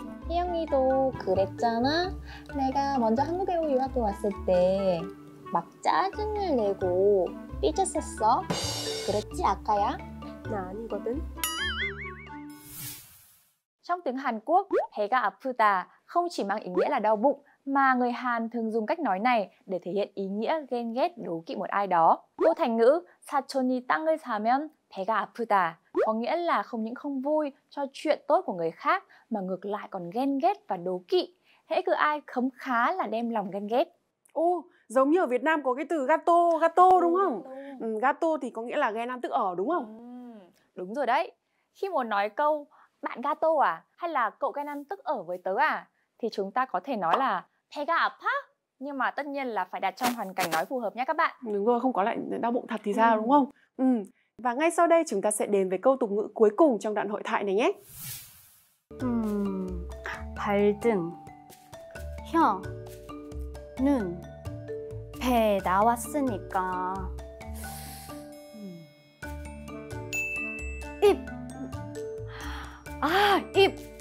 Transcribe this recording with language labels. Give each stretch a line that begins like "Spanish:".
Korean: 혜영이도 그랬잖아? 내가 먼저 한국에 유학을 왔을 때 막 짜증을 내고 삐졌었어. 그랬지, 아까야? 나 아니거든.
Vietnamese: Trong tiếng Hàn Quốc,
Korean: 배가 아프다
Vietnamese: không chỉ mang ý nghĩa là đau bụng, mà người Hàn thường dùng cách nói này để thể hiện ý nghĩa ghen ghét đố kỵ một ai đó. Câu thành ngữ
Korean: 사촌이 땅을 사면 배가 아프다
Vietnamese: có nghĩa là không những không vui cho chuyện tốt của người khác mà ngược lại còn ghen ghét và đố kỵ. Hễ cứ ai khấm khá là đem lòng ghen ghét. Ô, giống như ở Việt Nam có cái từ gato, gato đúng không? Gato thì có nghĩa là ghen ăn tức ở đúng không? Đúng rồi đấy. Khi muốn nói câu bạn gato à hay là cậu ghen ăn tức ở với tớ à thì chúng ta có thể nói là
Korean: 배가 아파?
Vietnamese: Nhưng mà tất nhiên là phải đặt trong hoàn cảnh nói phù hợp nhé các bạn. Đúng rồi, không có lại đau bụng thật thì sao đúng không? Ừ. Và ngay sau đây chúng ta sẽ đến với câu tục ngữ cuối cùng trong đoạn hội thoại này nhé.
Korean: 발등 형 눈 배 나왔으니까 입 아, 입!